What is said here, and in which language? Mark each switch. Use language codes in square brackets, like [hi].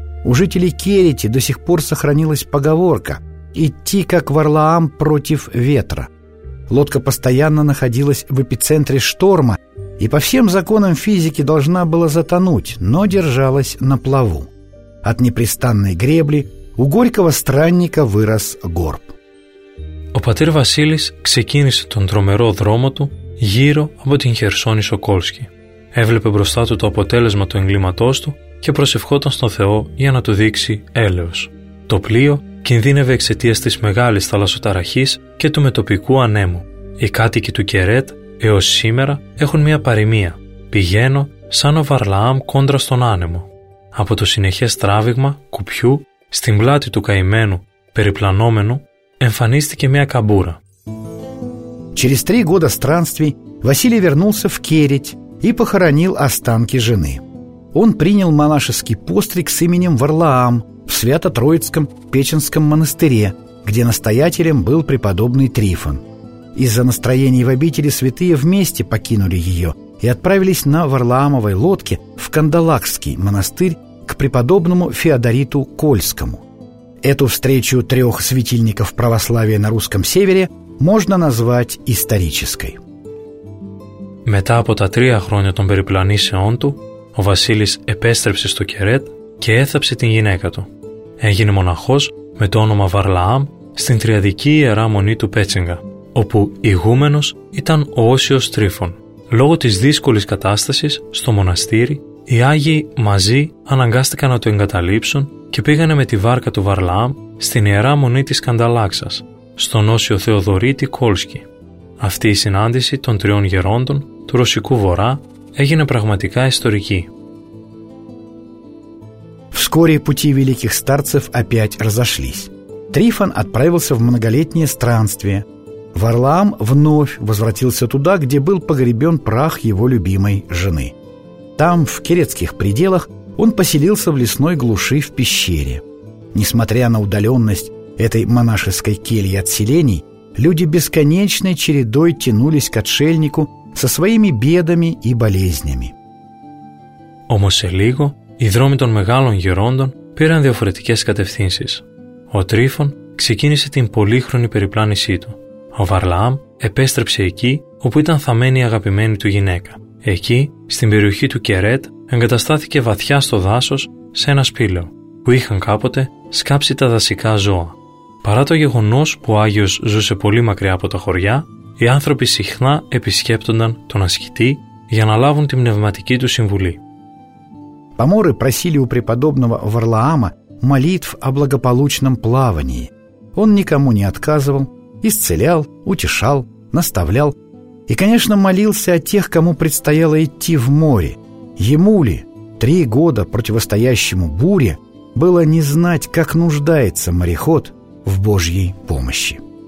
[ru] У жителей Керети до сих пор сохранилась поговорка «идти, как Варлаам, против ветра». Лодка постоянно находилась в эпицентре шторма и по всем законам физики должна была затонуть, но держалась на плаву. От непрестанной гребли у горького странника вырос горб. [el] Ο πατήρ Βασίλης ξεκίνησε τον τρομερό δρόμο του γύρω από την Χερσόνησο Κόλσκι. Έβλεπε μπροστά του το αποτέλεσμα του εγκλήματός του και προσευχόταν στον Θεό για να του δείξει έλεος. Το πλοίο κινδύνευε εξαιτίας της μεγάλης θαλασσοταραχής και του μετοπικού ανέμου. Οι κάτοικοι του Κερέτ έως σήμερα έχουν μια παροιμία. Πηγαίνω σαν ο Βαρλαάμ κόντρα στον άνεμο. Από το συνεχές τράβηγμα κουπιού στην πλάτη του καημένου περιπλανόμενου εμφανίστηκε μια καμπούρα. [ru] Через три года странствий Василий вернулся в Кереть и похоронил останки жены. Он принял монашеский постриг с именем Варлаам в Свято-Троицком Печенском монастыре, где настоятелем был преподобный Трифон. Из-за настроений в обители святые вместе покинули ее и отправились на Варлаамовой лодке в Кандалакский монастырь к преподобному Феодориту Кольскому. Эту встречу трех светильников православия на русском севере можно назвать исторической. [el] Μετά από τα τρία χρόνια των περιπλανήσεών του, ο Βασίλης επέστρεψε στο Κερέτ και έθαψε την γυναίκα του. Έγινε μοναχός με το όνομα Βαρλαάμ στην Τριαδική Ιερά Μονή του Πέτσιγκα, όπου ηγούμενος ήταν ο Όσιος Τρίφων. Λόγω της δύσκολης κατάστασης στο μοναστήρι, οι Άγιοι μαζί αναγκάστηκαν να το εγκαταλείψουν και πήγανε με τη βάρκα του Βαρλαάμ στην Ιερά Μονή της Κανταλάξας, στον Όσιο Θεοδωρίτη Κόλσκι. Αυτή η συνάντηση των τριών γερόντων του Ρωσικού Βορρά έγινε πραγματικά ιστορική. [ru] Вскоре пути великих старцев опять разошлись. Трифон отправился в многолетнее странствие. Варлаам вновь возвратился туда, где был погребен прах его любимой жены. Там, в керетских пределах, он поселился в лесной глуши в пещере. Несмотря на удаленность этой монашеской кельи от селений, люди бесконечной чередой тянулись к отшельнику со своими бедами и болезнями. [el] Όμως σε λίγο, οι δρόμοι των μεγάλων γερόντων πήραν διαφορετικές κατευθύνσεις. Ο Τρίφων ξεκίνησε την πολύχρονη περιπλάνησή του. Ο Βαρλαάμ επέστρεψε εκεί όπου ήταν θαμμένη η αγαπημένη του γυναίκα. Εκεί, στην περιοχή του Κερέτ, εγκαταστάθηκε βαθιά στο δάσος σε ένα σπήλαιο που είχαν κάποτε σκάψει τα δασικά ζώα. Παρά το γεγονός που ο Άγιος ζούσε πολύ μακριά από τα χωριά, οι άνθρωποι συχνά επισκέπτονταν τον ασκητή για να λάβουν την πνευματική του συμβουλή. [ru] Поморы просили у преподобного Варлаама молитв о благополучном плавании. Он никому не отказывал, исцелял, утешал, наставлял и, конечно, молился о тех, кому предстояло идти в море. Ему ли, 3 года противостоящему буре, было не знать, как нуждается мореход в Божьей помощи.